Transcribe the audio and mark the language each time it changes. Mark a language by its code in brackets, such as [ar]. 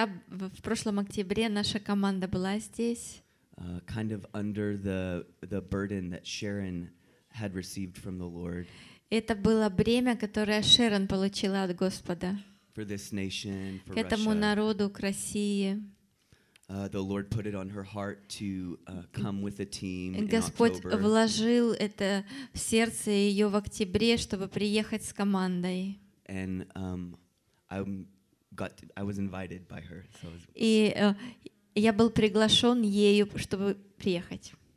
[ru] В прошлом октябре наша команда была здесь. [en] Kind of under the burden that Sharon had received from the Lord. [ru] Это было бремя, которое Шерон получила от Господа. [en] For this nation, for [ru] к этому [en] Russia. [ru] Народу, к России. [en] The Lord put it on her heart to come with a team in [ru] Господь [en] October. [ru] Вложил это в сердце ее в октябре, чтобы приехать с командой. [en] And I was invited by her. So was... [ru] И я был приглашен ею, чтобы приехать.